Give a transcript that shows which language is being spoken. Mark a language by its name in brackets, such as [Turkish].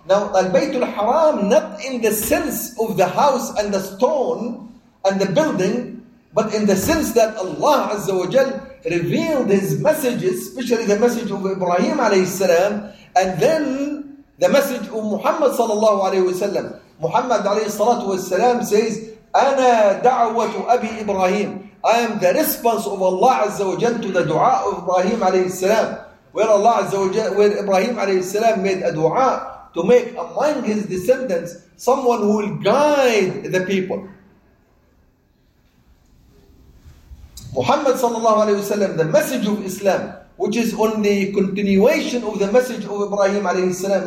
[English] Now, Al-Baytul Haram, not in the sense of the house and the stone and the building, but in the sense that Allah Azza wa Jal revealed His messages, especially the message of Ibrahim alayhi salam, and then the message of Muhammad sallallahu alayhi wa sallam. Muhammad alayhi salatu wa sallam says, [Arabic] أنا دعوة أبي إبراهيم. [English] I am the response of Allah Azza wa Jal to the dua of Ibrahim alayhi salam. Where Allah Azza wa Jal, where Ibrahim alayhi salam made a dua to make among his descendants someone who will guide the people. Muhammad sallallahu alayhi wasallam, the message of Islam, which is on the continuation of the message of Ibrahim alayhi salam.